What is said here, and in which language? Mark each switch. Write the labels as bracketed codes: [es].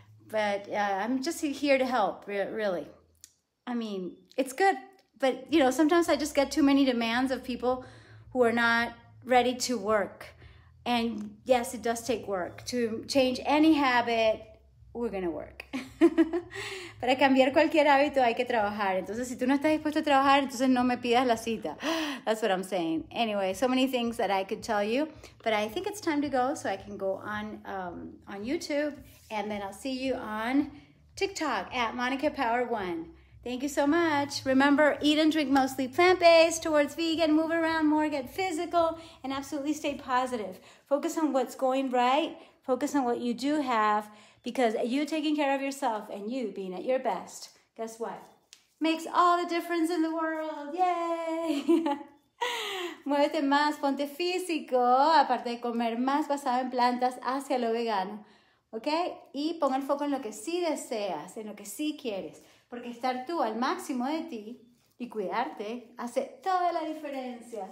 [en] But I'm just here to help, really. I mean, it's good. But, you know, sometimes I just get too many demands of people who are not ready to work. And yes, it does take work. To change any habit, we're going to work. [es] Para cambiar cualquier hábito hay que trabajar. Entonces, si tú no estás dispuesto a trabajar, entonces no me pidas la cita. [en] That's what I'm saying. Anyway, so many things that I could tell you. But I think it's time to go so I can go on YouTube. And then I'll see you on TikTok at Monica Power One. Thank you so much. Remember, eat and drink mostly plant-based towards vegan, move around more, get physical, and absolutely stay positive. Focus on what's going right. Focus on what you do have because you taking care of yourself and you being at your best, guess what? Makes all the difference in the world. Yay! [es] Muévete más, ponte físico, aparte de comer más basado en plantas hacia lo vegano, okay? Y ponga el foco en lo que sí deseas, en lo que sí quieres. Porque estar tú al máximo de ti y cuidarte hace toda la diferencia.